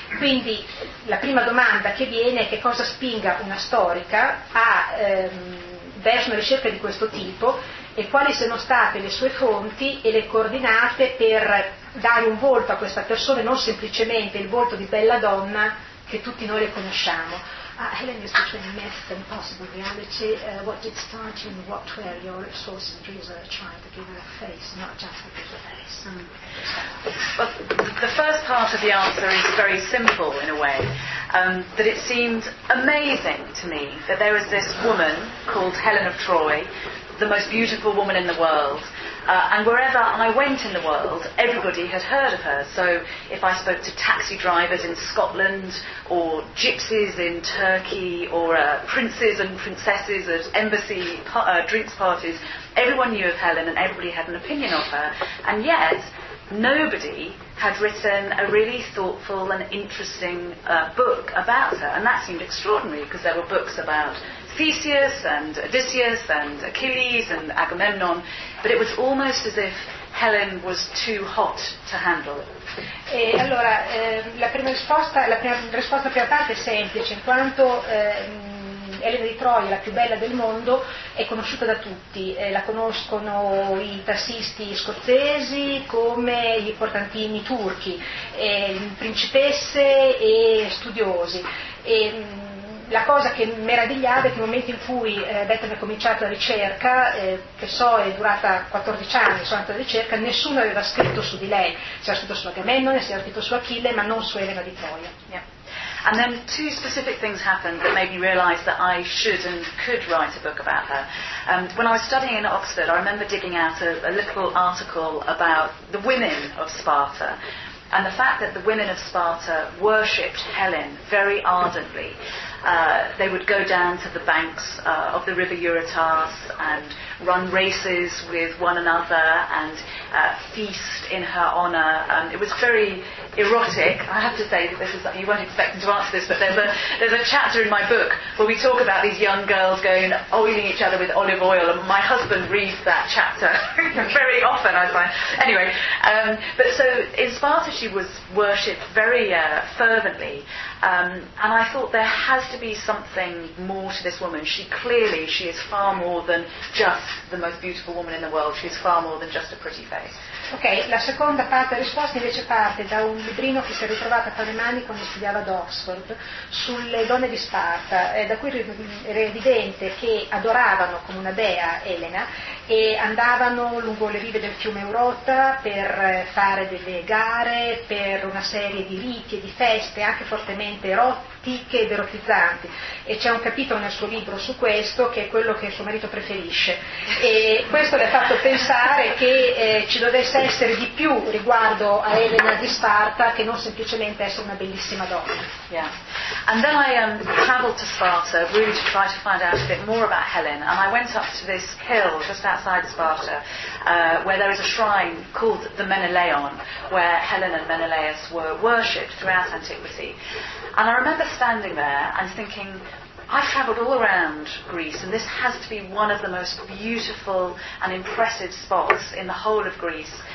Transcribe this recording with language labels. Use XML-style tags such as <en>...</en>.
<it>Quindi la prima domanda che viene è che cosa spinga una storica verso una ricerca di questo tipo e quali siano state le sue fonti e le coordinate per dare un volto a questa persona e non semplicemente il volto di bella donna che tutti noi le conosciamo.</it> <en>Helen is between myth and possible reality. What did start you and what were your sources and research trying to give her a face, not just a face? Well, the first part of the answer is very simple in a way, that it seemed amazing to me that there was this woman called Helen of Troy, the most beautiful woman in the world, and wherever I went in the world, everybody had heard of her. So if I spoke to taxi drivers in Scotland, or gypsies in Turkey, or princes and princesses at embassy drinks parties, everyone knew of Helen and everybody had an opinion of her. And yet, nobody had written a really thoughtful and interesting book about her, and that seemed extraordinary because there were books about Theseus and Odysseus and Achilles and Agamemnon, but it was almost as if Helen was too hot to handle it.</en> <it>E allora, la prima risposta per la parte è semplice, in quanto Elena di Troia, la più bella del mondo, è conosciuta da tutti, la conoscono i tassisti scozzesi come gli importantini turchi, principesse e studiosi. La cosa che meravigliava è che nel momento in cui Bethany ha cominciato la ricerca, che so è durata 14 anni soltanto la ricerca, nessuno aveva scritto su di lei, si era scritto su Agamennone, si era scritto su Achille, ma non su Elena di Troia.</it> <en>And then two specific things happened that made me realise that I should and could write a book about her. When I was studying in Oxford, I remember digging out a little article about the women of Sparta and the fact that the women of Sparta worshipped Helen very ardently. They would go down to the banks of the river Eurotas and run races with one another and feast in her honour. It was very erotic. I have to say that this is, you weren't expecting to answer this, but there's a chapter in my book where we talk about these young girls going oiling each other with olive oil, and my husband reads that chapter very often, I find. Anyway, but so in Sparta she was worshipped very fervently. And I thought there has to be something more to this woman. She is far more than just the most beautiful woman in the world. She is far more than just a pretty face.</en> <it>Ok, la seconda parte della risposta invece parte da un librino che si è ritrovato tra le mani quando studiava ad Oxford sulle donne di Sparta, da cui era evidente che adoravano come una dea Elena e andavano lungo le rive del fiume Eurota per fare delle gare, per una serie di riti e di feste, anche fortemente erotiche ed erotizzanti. E c'è un capitolo nel suo libro su questo, che è quello che suo marito preferisce. E questo le ha fatto pensare che ci dovesse essere di più riguardo a Elena di Sparta che non semplicemente essere una bellissima donna.</it> <en>Yeah. And then I traveled to Sparta really to try to find out a bit more about Helen, and I went up to this hill just outside Sparta where there is a shrine called the Menelaon, where Helen and Menelaus were worshipped throughout antiquity. And I remember standing there and thinking, I've travelled all around Greece, and this has to be one of the most beautiful and impressive spots in the whole of Greece.</en>